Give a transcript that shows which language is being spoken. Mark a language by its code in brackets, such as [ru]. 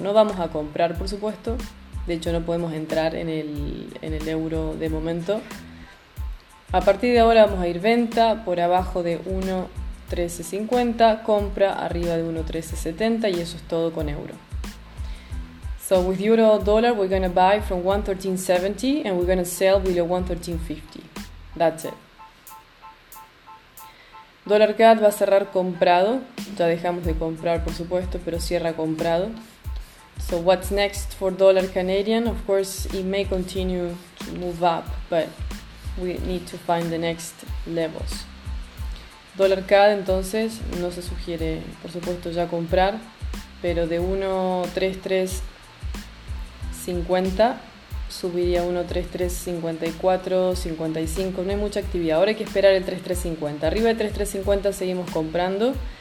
[es] No vamos a comprar, por supuesto. De hecho, no podemos entrar en el euro de momento. A partir de ahora vamos a ir venta por abajo de 1.1350, compra arriba de 1.1370 y eso es todo con euro. [en] So with euro dollar we're gonna buy from 1.1370 and we're gonna sell below 1.1350. That's it. [es] Dollar CAD va a cerrar comprado. Ya dejamos de comprar, por supuesto, pero cierra comprado. [en] So what's next for dollar Canadian? Of course, it may continue to move up, but we need to find the next levels. [es] Dollar CAD, entonces, no se sugiere, por supuesto, ya comprar, pero de 1.3350 50, subiría 1.33.54, 55, no hay mucha actividad. Ahora hay que esperar el 3.350. Arriba de 3.350 seguimos comprando.